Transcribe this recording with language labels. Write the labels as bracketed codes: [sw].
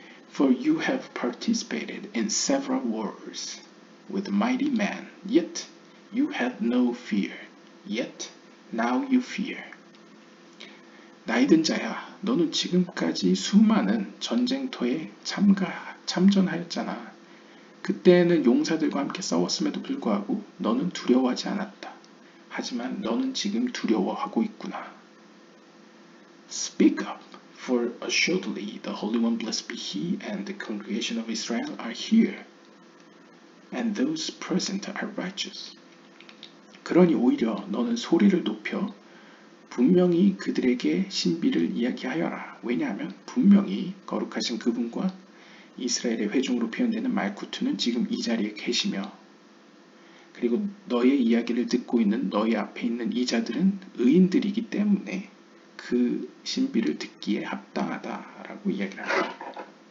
[en] For you have participated in several wars with mighty men, yet you had no fear, yet now you fear. [ko] 나이 든 자야, 너는 지금까지 수많은 전쟁터에 참전하였잖아. 그때는 용사들과 함께 싸웠음에도 불구하고 너는 두려워하지 않았다. 하지만 너는 지금 두려워하고 있구나. [en] Speak up, for assuredly the Holy One blessed be He and the congregation of Israel are here, and those present are righteous. [ko] 그러니 오히려 너는 소리를 높여 분명히 그들에게 신비를 이야기하여라. 왜냐하면 분명히 거룩하신 그분과 이스라엘의 회중으로 표현되는 말쿠트는 지금 이 자리에 계시며 그리고 너의 이야기를 듣고 있는 너의 앞에 있는 이 자들은 의인들이기 때문에 그 신비를 듣기에 합당하다라고 이야기를 합니다.